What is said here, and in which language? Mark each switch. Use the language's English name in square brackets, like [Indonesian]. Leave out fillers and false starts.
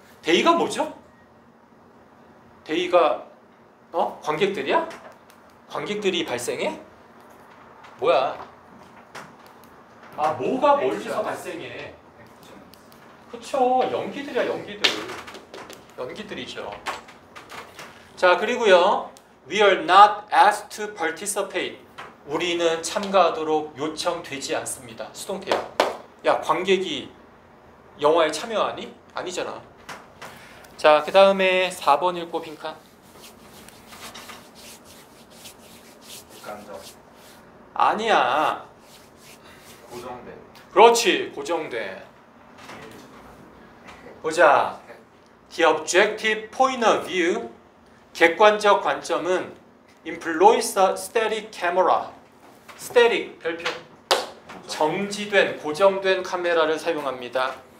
[Korean] 데이가 뭐죠? 데이가 어? 관객들이야? 관객들이 발생해? 뭐야? 아, 뭐가 멀리서 발생해. 그쵸, 연기들이야, 연기들. 연기들이죠. 자, 그리고요. [English] We are not asked to participate. [Korean] 우리는 참가하도록 요청되지 않습니다. 수동태야. 야, 관객이 영화에 참여하니? 아니잖아. 자, 그 다음에 4번 읽고 빈칸. 아니야. 고정된. 그렇지, 고정된. 보자. [English] The objective point of view, [Korean] 객관적 관점은 [English] employs a static camera. [Korean] Static, 별표. 정지된, 고정된 카메라를 사용합니다.